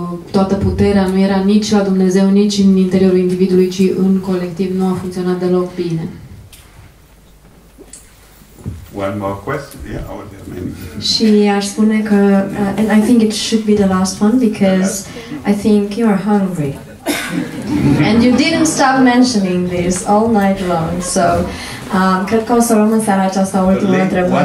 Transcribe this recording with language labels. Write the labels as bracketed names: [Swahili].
[Romanian] toată puterea nu era nici la Dumnezeu, nici în interiorul individului, ci în colectiv, nu a funcționat deloc bine. [English] One more question. Yeah, she [Romanian] aș spune că [English] and I think it should be the last one, because I think you are hungry. And you didn't stop mentioning this all night long. So, [Romanian] cred că o să luăm în seara aceasta ultima întrebare.